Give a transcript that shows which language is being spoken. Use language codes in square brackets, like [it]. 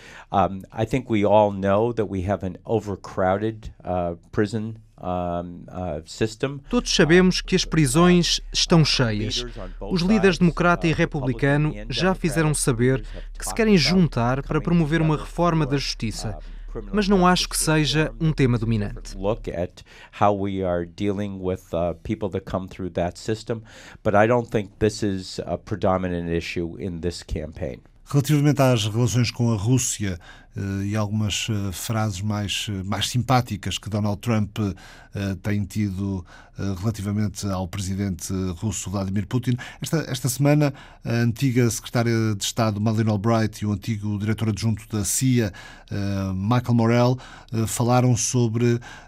[en] I think we all know that we have an overcrowded prison system. [pt] Todos sabemos que as prisões estão cheias. Os líderes democrata e republicano já fizeram saber que se querem juntar para promover uma reforma da justiça. Mas não acho que seja um tema dominante. [en] Look at how we are dealing with people that come through that system, but I don't think this is a predominant issue in this campaign. [pt] Relativamente às relações com a Rússia e algumas frases mais simpáticas que Donald Trump tem tido relativamente ao presidente russo Vladimir Putin, esta semana a antiga secretária de Estado Madeleine Albright e o antigo diretor adjunto da CIA Michael Morell falaram sobre